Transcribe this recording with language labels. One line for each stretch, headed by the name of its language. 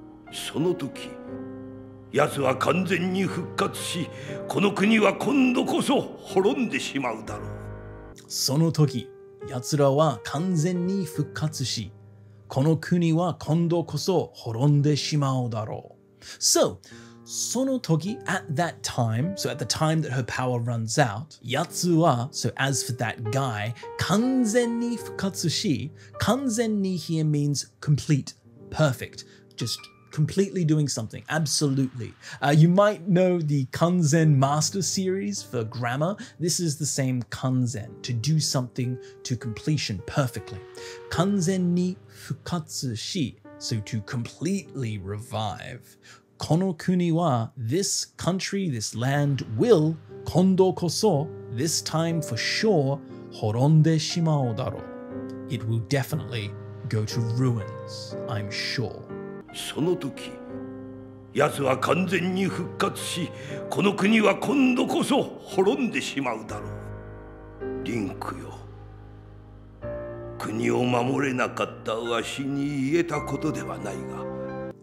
Japanese: その時、やつは完全に復活し、この国は今度こそ滅んでしまうだろう。その時、やつらは完全に復活し、この国は今度こそ滅んでしまうだろう。
English: So, その時、at that time, so at the time that her power runs out, やつは、so as for that guy,
Japanese: 完全に復活し、
English: 完全に here means complete, perfect, just... completely doing something, absolutely. You might know the Kanzen Master Series for grammar. This is the same Kanzen, to do something to completion perfectly.
Japanese: Kanzen ni fukatsu shi,
English: so to completely revive.
Japanese: Kono kuni wa,
English: this country, this land, will,
Japanese: kondo koso,
English: this time for sure,
Japanese: horonde shimao daro.
English: It will definitely go to ruins, I'm sure.
Japanese: その時、やつは完全に復活し、この国は今度こそ滅んでしまうだろう。リンクよ、国を守れなかったわしに言えたことではないが。